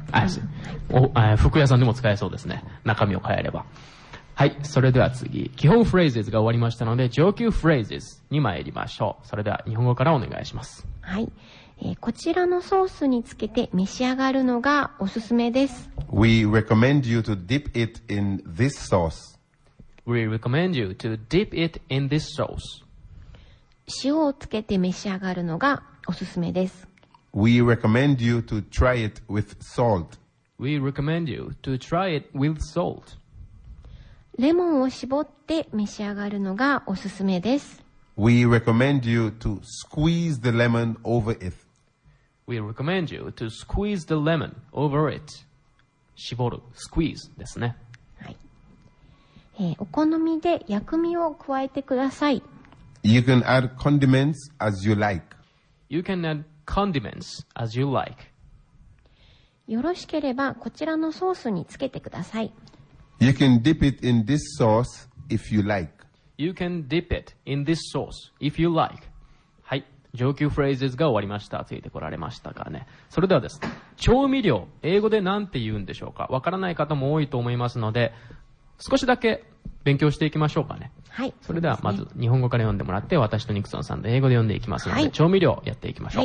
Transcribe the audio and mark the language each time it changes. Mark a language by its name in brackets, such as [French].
[English] I see. [Japanese] 服屋さんでも使えそうですね。中身を変えれば。はい、それでは次、基本フレーズが終わりましたので上級フレーズに参りましょう。それでは日本語からお願いします。はい、こちらのソースにつけて召し上がるのがおすすめです。 [English] We recommend you to dip it in this sauce. We recommend you to dip it in this sauce. [Japanese] 塩をつけて召し上がるのがおすすめです。 [English] We recommend you to try it with salt. We recommend you to try it with salt. [Japanese] レモンを絞って召し上がるのがおすすめです。 [English] We recommend you to squeeze the lemon over it. We recommend you to squeeze the lemon over it. [Japanese] 絞る、squeeze ですね。はい。お好みで薬味を加えてください。 [English] You can add condiments as you like. You can add condiments as you like. [Japanese] よろしければこちらのソースにつけてください。 [English] You can dip it in this sauce if you like. You can dip it in this sauce if you like. [Japanese] はい、上級フレーズが終わりました。ついてこられましたかね。それではですね、調味料、英語で何て言うんでしょうか。わからない方も多いと思いますので、少しだけ勉強していきましょうかね。はい。それではまず日本語から読んでもらって、私とニクソンさんで英語で読んでいきますので、はい、調味料やっていきましょう。